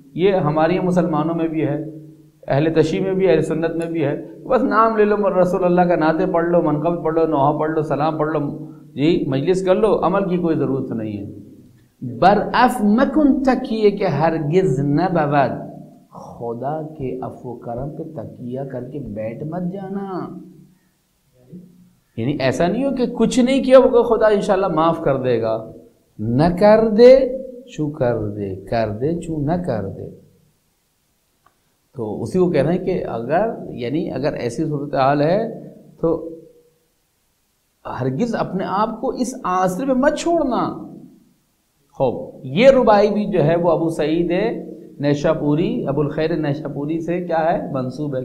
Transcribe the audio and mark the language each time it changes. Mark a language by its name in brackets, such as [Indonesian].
[Urdu] یہ ہماری مسلمانوں میں بھی ہے، اہل تشیع میں بھی، اہل سنت میں بھی ہے، بس نام لے لو، رسول اللہ کا نعتے پڑھ لو، منقب پڑھ لو، نوحہ پڑھ لو، سلام پڑھ لو، جی مجلس کر لو، عمل کی کوئی ضرورت نہیں ہے. [Persian] برعف مکن تکیے کہ ہرگز نہ بود، [Urdu] خدا کے عفو کرم پہ تکیہ کر کے بیٹھ مت جانا. یعنی ایسا نہیں ہو کہ کچھ نہیں کیا وہ خدا انشاءاللہ معاف کر دے گا، [Persian] نہ کر دے چو کر دے، [Urdu] کر دے چو نہ کر دے. تو اسی کو کہنا ہے کہ اگر، یعنی اگر ایسی صورتحال ہے تو ہرگز اپنے آپ کو اس آسرے پہ مت چھوڑنا. خوب، یہ ربائی بھی جو ہے وہ ابو سعید نیشاپوری، ابو الخیر نیشاپوری سے کیا ہے، منصوب ہے.